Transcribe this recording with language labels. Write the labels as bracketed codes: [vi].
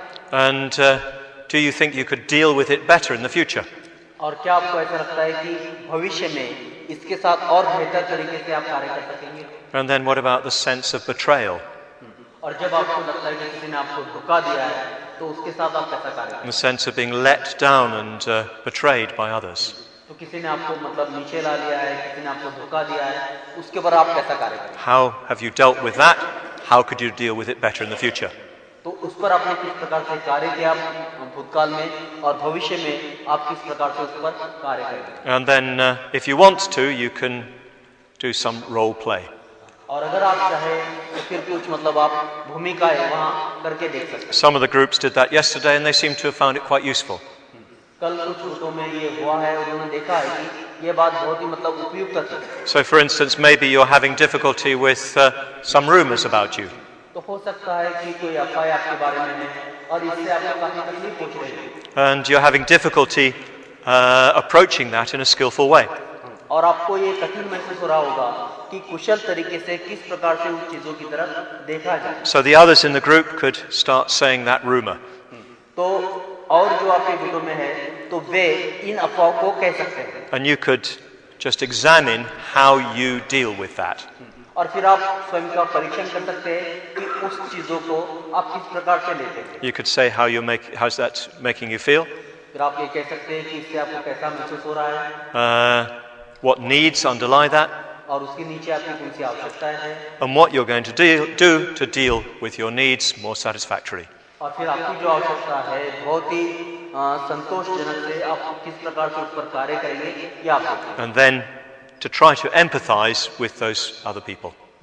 [en] And do you think you could deal with it better in the future? [hi] और क्या आपको ऐसा लगता है कि भविष्य में इसके साथ और बेहतर तरीके से आप कार्य कर सकेंगे? [en] And then what about the sense of betrayal? [hi] और जब आपको लगता है कि किसी ने आपको धोखा दिया है, तो उसके साथ आप कैसा कार्य करेंगे? [en] The sense of being let down and betrayed by others. [hi] तो किसी ने आपको मतलब नीचे ला लिया है, किसी ने आपको धोखा दिया है, उसके ऊपर आप कैसा कार्य करेंगे? [en] How have you dealt with that? How could you deal with it better in the future? [hi] तो उस पर आपने किस प्रकार से कार्य किया भूतकाल में और भविष्य में आप किस प्रकार से उस पर कार्य करेंगे? [en] And then if you want to you can do some role play. [hi] और अगर आप चाहे तो फिर कुछ मतलब आप भूमिका है वहां करके देख सकते हैं. [en] Some of the groups did that yesterday and they seem to have found it quite useful. [hi] कल कुछ ग्रुपों में ये हुआ है और उन्होंने देखा है कि ये बात बहुत ही मतलब उपयुक्त थी. [en] So for instance maybe you're having difficulty with some rumors about you. [hi] तो हो सकता है कि कोई अफवाह आपके बारे में है और इससे आपको काफी तकलीफ पहुंच रही है. [en] And you're having difficulty approaching that in a skillful way. [hi] और आपको ये कठिन महसूस हो रहा होगा कि कुशल तरीके से किस प्रकार से उन चीजों की तरफ देखा जाए. [en] So the others in the group could start saying that rumor. [hi] तो और जो आपके ग्रुप में है तो वे इन अफवाह को कह सकते हैं. [en] And you could just examine how you deal with that. [hi] और फिर आप स्वयं का परीक्षण कर सकते हैं कि उस चीजों को आप किस प्रकार से लेते हैं. [en] You could say how you make how's that making you feel? [hi] फिर आप ये कह सकते हैं कि इससे आपको कैसा महसूस हो रहा है? [en] What needs underlie that? [hi] और उसके नीचे आपकी कौन सी आवश्यकताएं हैं? [en] And what you're going to do to deal with your needs more satisfactorily? [hi] और फिर आपकी जो आवश्यकता है बहुत ही संतोषजनक से आप किस प्रकार से उस पर कार्य करेंगे ये आप देखेंगे. [en] And then to try to empathize with those other people.